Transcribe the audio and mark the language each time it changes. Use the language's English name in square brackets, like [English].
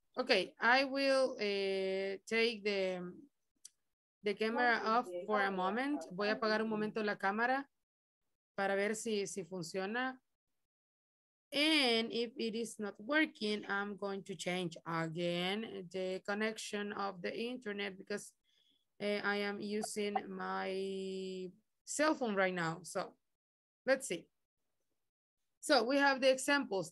[English] Okay, I will take the camera off for a moment. [Spanish] Voy a apagar un momento la cámara para ver si funciona. [English] And if it is not working, I'm going to change again the connection of the internet because I am using my cell phone right now. So let's see. So we have the examples.